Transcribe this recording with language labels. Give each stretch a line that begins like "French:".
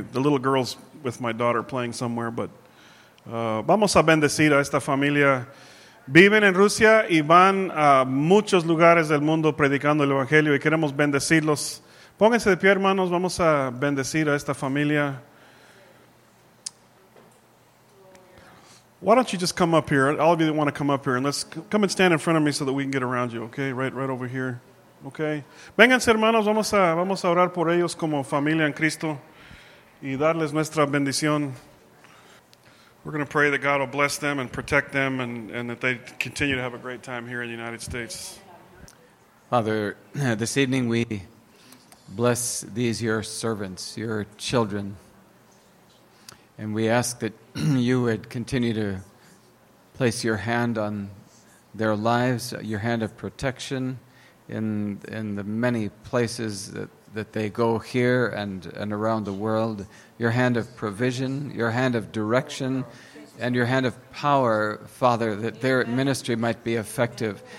English: The little girl's with my daughter playing somewhere.
Spanish: But vamos a bendecir a esta familia. Viven en Rusia y van a muchos lugares del mundo predicando el Evangelio y queremos bendecirlos. Pónganse de pie, hermanos. Vamos a bendecir a esta familia.
English: Why don't you just come up here? All of you that want to come up here, and let's come and stand in front of me so that we can get around you, okay? Right over here, okay?
Spanish: Vénganse, hermanos. Vamos a orar por ellos como familia en Cristo y darles nuestra bendición.
English: We're going to pray that God will bless them and protect them and that they continue to have a great time here in the United States. Father, this evening we bless these, your servants, your children. And we ask that you would continue to place your hand on their lives, your hand of protection in the many places that they go here and around the world, your hand of provision, your hand of direction, and your hand of power, Father, that their ministry might be effective.